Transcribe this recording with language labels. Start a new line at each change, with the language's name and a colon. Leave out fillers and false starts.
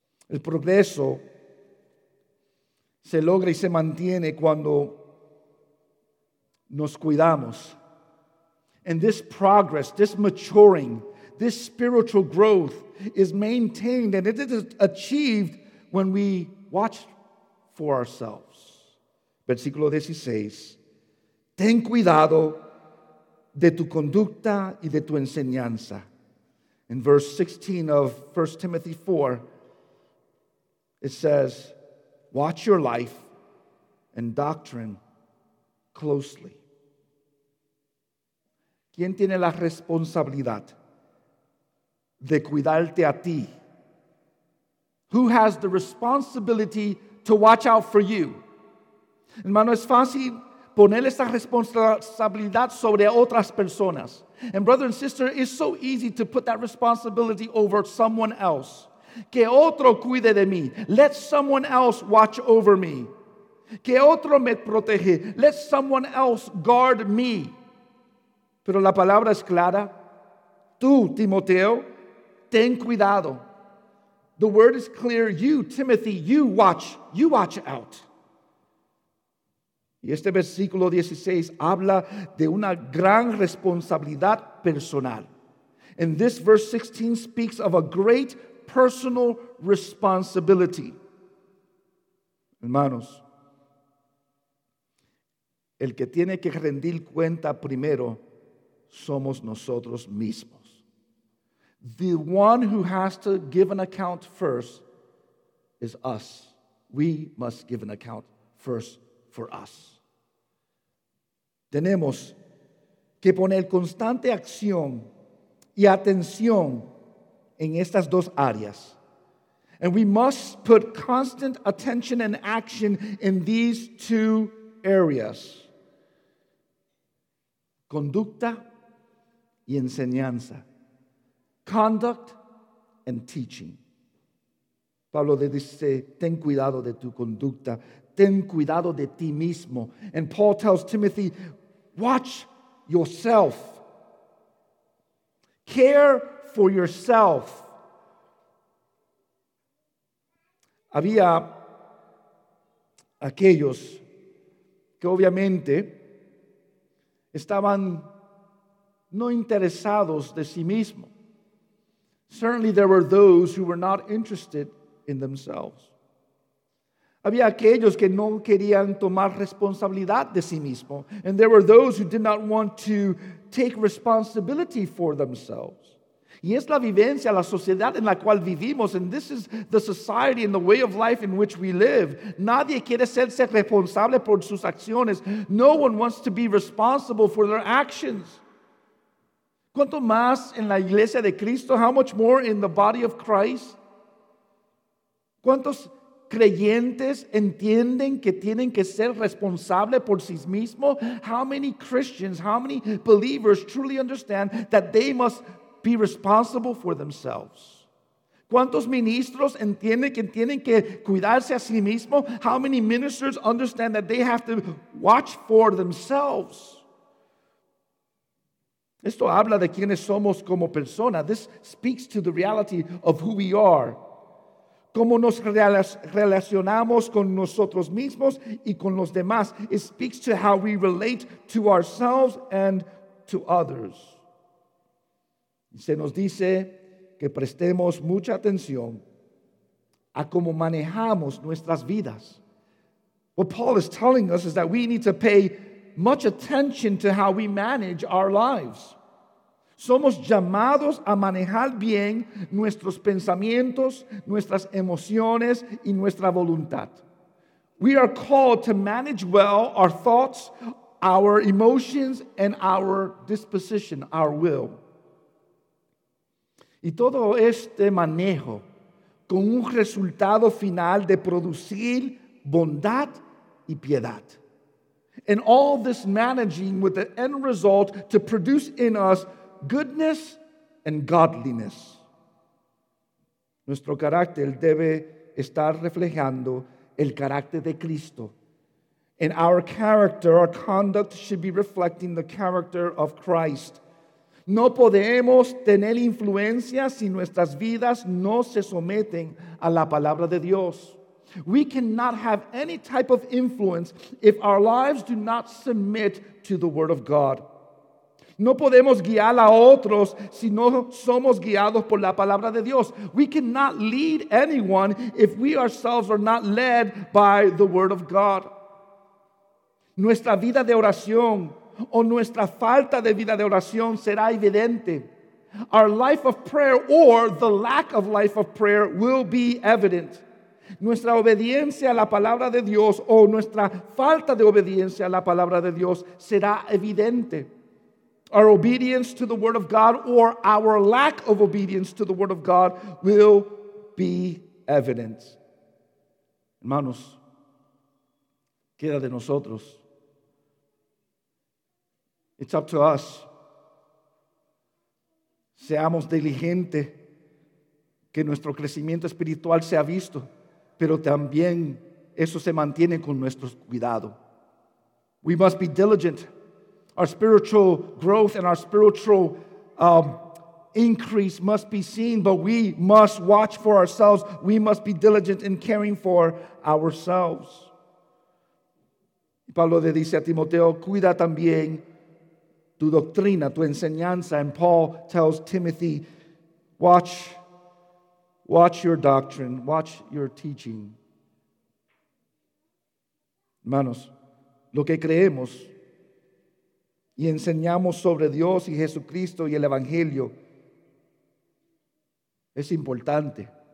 Spanish: El progreso se logra y se mantiene cuando nos cuidamos.
English: And this progress, this maturing, this spiritual growth is maintained and it is achieved when we watch for ourselves.
Spanish: Versículo 16. Ten cuidado de tu conducta y de tu enseñanza.
English: In verse 16 of 1 Timothy 4, it says, watch your life and doctrine closely.
Spanish: ¿Quién tiene la responsabilidad de cuidarte a ti?
English: Who has the responsibility to watch out for you?
Spanish: Hermano, es fácil poner esa responsabilidad sobre otras personas.
English: And brother and sister, it's so easy to put that responsibility over someone else.
Spanish: Que otro cuide de mí.
English: Let someone else watch over me.
Spanish: Que otro me protege.
English: Let someone else guard me.
Spanish: Pero la palabra es clara. Tú, Timoteo, ten cuidado.
English: The word is clear. You, Timothy, you watch. You watch out.
Spanish: Y este versículo 16 habla de una gran responsabilidad personal.
English: And this verse 16 speaks of a great personal responsibility.
Spanish: Hermanos, el que tiene que rendir cuenta primero somos nosotros mismos.
English: The one who has to give an account first is us. We must give an account first for us.
Spanish: Tenemos que poner constante acción y atención en estas dos áreas.
English: And we must put constant attention and action in these two areas.
Spanish: Conducta y enseñanza.
English: Conduct and teaching.
Spanish: Pablo le dice, ten cuidado de tu conducta. Ten cuidado de ti mismo.
English: And Paul tells Timothy, watch yourself. Care for yourself.
Spanish: Había aquellos que obviamente estaban no interesados de sí mismo.
English: Certainly there were those who were not interested in themselves.
Spanish: Había aquellos que no querían tomar responsabilidad de sí mismo.
English: And there were those who did not want to take responsibility for themselves.
Spanish: Y es la vivencia, la sociedad en la cual vivimos.
English: And this is the society and the way of life in which we live.
Spanish: Nadie quiere serse responsable por sus acciones.
English: No one wants to be responsible for their actions.
Spanish: ¿Cuánto más en la iglesia de Cristo?
English: How much more in the body of Christ?
Spanish: ¿Cuántos creyentes entienden que tienen que ser responsables por sí mismos?
English: How many Christians, how many believers truly understand that they must be responsible for themselves?
Spanish: ¿Cuántos ministros entienden que tienen que cuidarse a sí mismos?
English: How many ministers understand that they have to watch for themselves?
Spanish: Esto habla de quienes somos como persona.
English: This speaks to the reality of who we are.
Spanish: Cómo nos relacionamos con nosotros mismos y con los demás.
English: It speaks to how we relate to ourselves and to others.
Spanish: Se nos dice que prestemos mucha atención a cómo manejamos nuestras vidas.
English: What Paul is telling us is that we need to pay much attention to how we manage our lives.
Spanish: Somos llamados a manejar bien nuestros pensamientos, nuestras emociones y nuestra voluntad.
English: We are called to manage well our thoughts, our emotions, and our disposition, our will.
Spanish: Y todo este manejo con un resultado final de producir bondad y piedad.
English: And all this managing with the end result to produce in us goodness and godliness.
Spanish: Nuestro carácter debe estar reflejando el carácter de Cristo
English: And our character, our conduct, should be reflecting the character of Christ.
Spanish: No podemos tener influencia si nuestras vidas no se someten a la palabra de Dios.
English: We cannot have any type of influence if our lives do not submit to the Word of God.
Spanish: No podemos guiar a otros si no somos guiados por la palabra de Dios.
English: We cannot lead anyone if we ourselves are not led by the Word of God.
Spanish: Nuestra vida de oración o nuestra falta de vida de oración será evidente.
English: Our life of prayer or the lack of life of prayer will be evident.
Spanish: Nuestra obediencia a la palabra de Dios o nuestra falta de obediencia a la palabra de Dios será evidente.
English: Our obedience to the word of God or our lack of obedience to the word of God will be evident.
Spanish: Hermanos, queda de nosotros.
English: It's up to us.
Spanish: Seamos diligentes que nuestro crecimiento espiritual sea visto, pero también eso se mantiene con nuestro cuidado.
English: We must be diligent. Our spiritual growth and our spiritual increase must be seen, but we must watch for ourselves. We must be diligent in caring for ourselves.
Spanish: Pablo le dice a Timoteo, cuida también tu doctrina, tu enseñanza.
English: And Paul tells Timothy, watch your doctrine, watch your teaching.
Spanish: Hermanos, lo que creemos y enseñamos sobre Dios y Jesucristo y el Evangelio es importante.